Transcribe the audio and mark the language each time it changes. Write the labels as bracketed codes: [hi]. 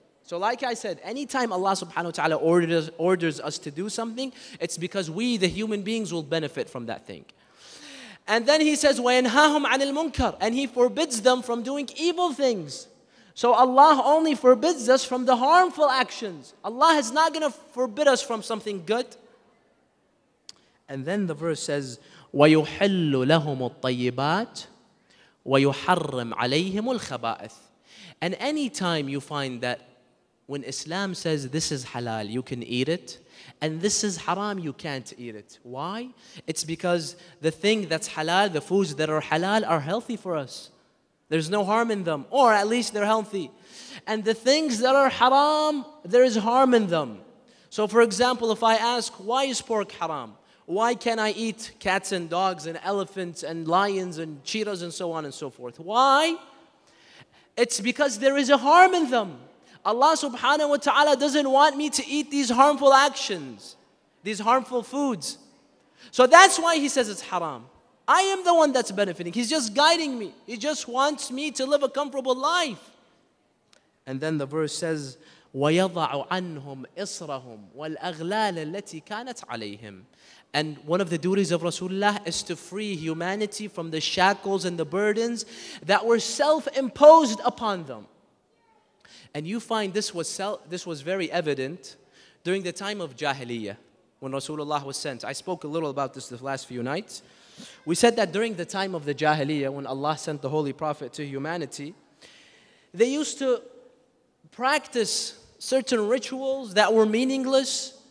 [en] So like I said, anytime Allah subhanahu wa ta'ala orders us to do something, it's because we, the human beings, will benefit from that thing. And then He says, [ar] وَيَنْهَاهُمْ عَنِ الْمُنْكَرِ. [en] And He forbids them from doing evil things. So Allah only forbids us from the harmful actions. Allah is not going to forbid us from something good. And then the verse says, [ar] وَيُحِلُّ لَهُمُ الطَّيِّبَاتِ وَيُحَرِّمْ عَلَيْهِمُ الْخَبَائِثِ. [en] And any time you find that when Islam says this is halal, you can eat it, and this is haram, you can't eat it. Why? It's because the thing that's halal, the foods that are halal, are healthy for us. There's no harm in them, or at least they're healthy. And the things that are haram, there is harm in them. So for example, if I ask, why is pork haram? Why can't I eat cats and dogs and elephants and lions and cheetahs and so on and so forth? Why? It's because there is a harm in them. Allah subhanahu wa ta'ala doesn't want me to eat these harmful actions, these harmful foods. So that's why He says it's haram. I am the one that's benefiting. He's just guiding me. He just wants me to live a comfortable life. And then the verse says, [ar] وَيَضَعُ عَنْهُمْ إِصْرَهُمْ وَالْأَغْلَالَ الَّتِي كَانَتْ عَلَيْهِمْ. [en] And one of the duties of Rasulullah is to free humanity from the shackles and the burdens that were self-imposed upon them. And you find this was very evident during the time of Jahiliyyah, when Rasulullah was sent. I spoke a little about this the last few nights. We said that during the time of the Jahiliyyah, when Allah sent the Holy Prophet to humanity, they used to practice certain rituals that were meaningless.